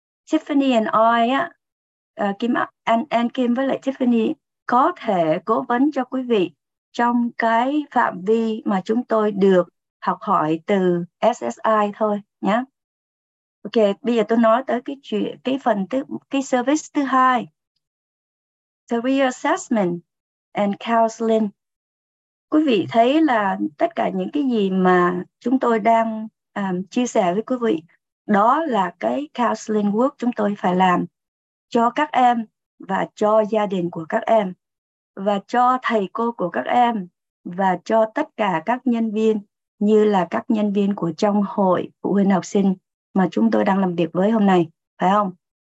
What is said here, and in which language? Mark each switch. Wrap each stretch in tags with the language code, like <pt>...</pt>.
<vi>Tiffany and I á, Kim Kim với lại Tiffany có thể cố vấn cho quý vị trong cái phạm vi mà chúng tôi được học hỏi từ SSI thôi nhé. Ok, bây giờ tôi nói tới cái chuyện, cái phần thứ, cái service thứ hai.</vi> <en>Career assessment and counseling.</en> <vi>Quý vị thấy là tất cả những cái gì mà chúng tôi đang chia sẻ với quý vị, đó là cái counseling work chúng tôi phải làm cho các em và cho gia đình của các em và cho thầy cô của các em và cho tất cả các nhân viên như là các nhân viên của trong hội phụ huynh học sinh mà chúng tôi đang làm việc với hôm nay, phải không?</vi>